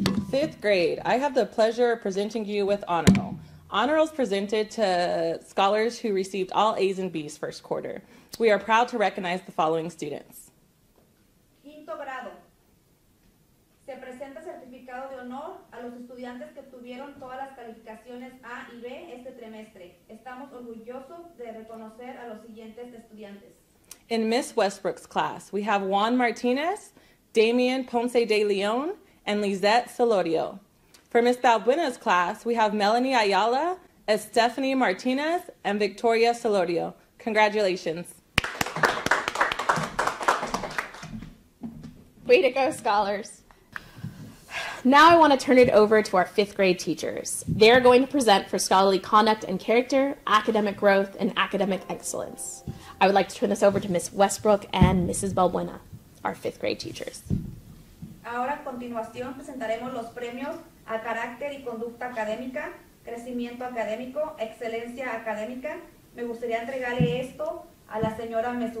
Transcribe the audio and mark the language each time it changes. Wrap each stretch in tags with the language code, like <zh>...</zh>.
<en>Fifth grade, I have the pleasure of presenting you with honor roll. Honor roll is presented to scholars who received all A's and B's first quarter. We are proud to recognize the following students.</en> <es>Quinto grado. Se presenta certificado de honor a los estudiantes que obtuvieron todas las calificaciones A y B este trimestre. Estamos orgullosos de reconocer a los siguientes estudiantes.</es> <en>In Miss Westbrook's class, we have Juan Martinez, Damian Ponce de Leon, and Lizette Solorio. For Miss Balbuena's class, we have Melanie Ayala, Stephanie Martinez, and Victoria Solorio. Congratulations. Way to go, scholars. Now I want to turn it over to our fifth grade teachers. They are going to present for scholarly conduct and character, academic growth, and academic excellence. I would like to turn this over to Ms. Westbrook and Mrs. Balbuena, our fifth grade teachers.</en> <es>Ahora, a continuación, presentaremos los premios a carácter y conducta académica, crecimiento académico, excelencia académica. Me gustaría entregarle esto a la señora Ms.</es>